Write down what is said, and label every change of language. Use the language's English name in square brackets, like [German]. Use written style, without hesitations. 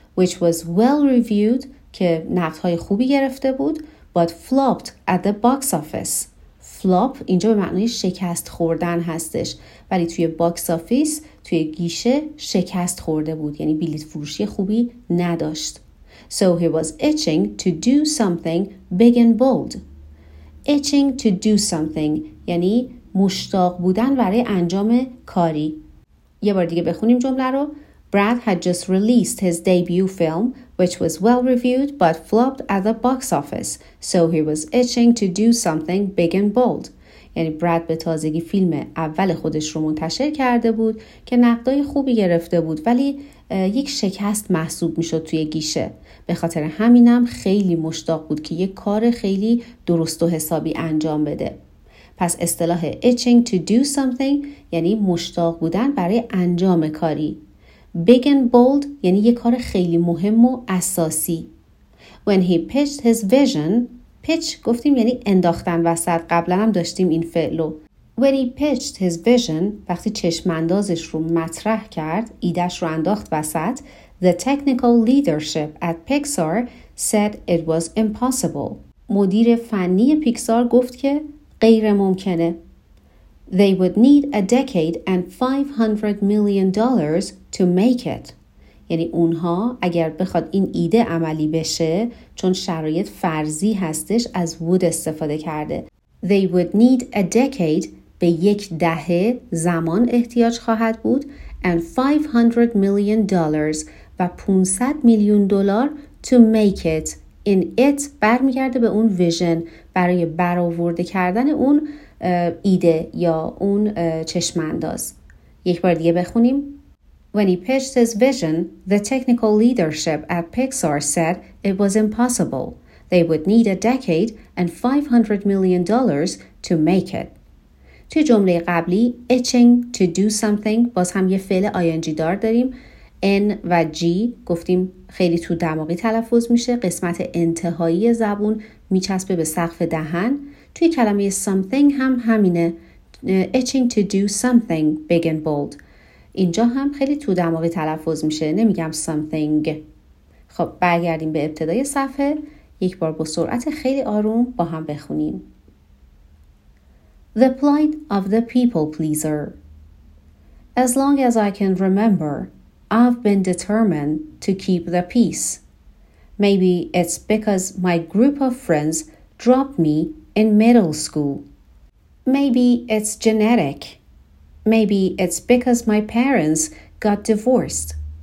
[English] Which was well reviewed [Persian] که نقدهای خوبی گرفته بود. [English] But flopped at the box office. [Persian] Flop اینجا به معنی شکست خوردن هستش. ولی توی باکس آفیس، توی گیشه شکست خورده بود. یعنی بلیت فروشی خوبی نداشت. [English] So he was itching to do something big and bold. [Persian] Itching to do something یعنی مشتاق بودن برای انجام کاری. یه بار دیگه بخونیم جمله رو. [English] Brad had just released his debut film which was well reviewed but flopped at the box office. So he was itching to do something big and bold. [Persian] یعنی براد به تازگی فیلم اول خودش رو منتشر کرده بود که نقدای خوبی گرفته بود ولی یک شکست محسوب میشد توی گیشه. به خاطر همینم خیلی مشتاق بود که یک کار خیلی درست و حسابی انجام بده. پس اصطلاح itching to do something یعنی مشتاق بودن برای انجام کاری. Big and bold یعنی یک کار خیلی مهم و اساسی. [English] When he pitched his vision، [Persian] پیچ گفتیم یعنی انداختن وسط، قبلا هم داشتیم این فعلو. [English] When he pitched his vision، [Persian] وقتی چشماندازش رو مطرح کرد، ایدش رو انداخت وسط، [English] the technical leadership at Pixar said it was impossible. [Persian] مدیر فنی پیکسار گفت که غیر ممکنه. [English] They would need a decade and $500 million to make it. [Persian] یعنی اونها اگر بخواد این ایده عملی بشه، چون شرایط فرضی هستش از would استفاده کرده. [English] They would need a decade، [Persian] به یک دهه زمان احتیاج خواهد بود، [English] and $500 million [Persian] و $500 میلیون [English] to make it. [Persian] این it برمیگرده به اون vision، برای برآورده کردن اون ایده یا اون چشمانداز. یک بار دیگه بخونیم. [English] When he pitched his vision, the technical leadership at Pixar said it was impossible. They would need a decade and $500 million to make it. [Persian] توی جمله قبلی itching to do something باز هم یه فعل ing دار داریم. N و G گفتیم خیلی تو دماغی تلفظ میشه، قسمت انتهایی زبون میچسبه به سقف دهن. توی کلمه something هم همینه، itching to do something big and bold. اینجا هم خیلی تو دماغی تلفظ میشه، نمیگم something. خب برگردیم به ابتدای صفحه، یک بار با سرعت خیلی آروم با هم بخونیم. [English] The plight of the people pleaser. As long as I can remember, I've been determined to keep the peace. Maybe it's because my group of friends dropped me in middle school. Maybe it's genetic. Maybe it's because my parents got divorced.